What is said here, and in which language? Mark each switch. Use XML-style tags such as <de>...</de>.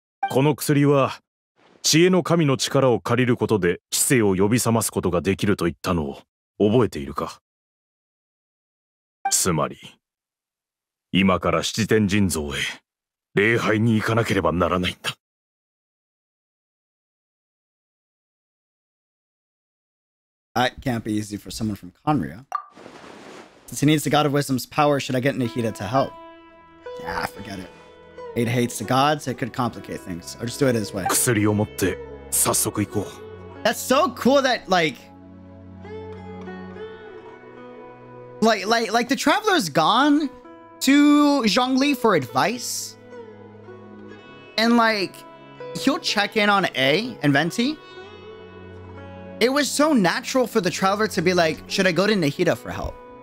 <ja>この薬は知恵の神の力を借りることで知性を呼び覚ますことができると言ったのを覚えているか。つまり今から七天神像へ礼拝に行かなければならないんだ。</ja> <en>That can't be easy for someone from Conria. Since he needs the God of Wisdom's power, should I get Nahida to help? Nah, forget it. Nahida hates the gods, it could complicate things. I'll just do it his way.</en> <ja>薬を持って早速行こう。</ja> <en>That's so cool that, like... Like the traveler's gone to Zhongli for advice. And like, he'll check in on A and Venti. It was so natural for the traveler to be like, should I go to Nahida for help?</en>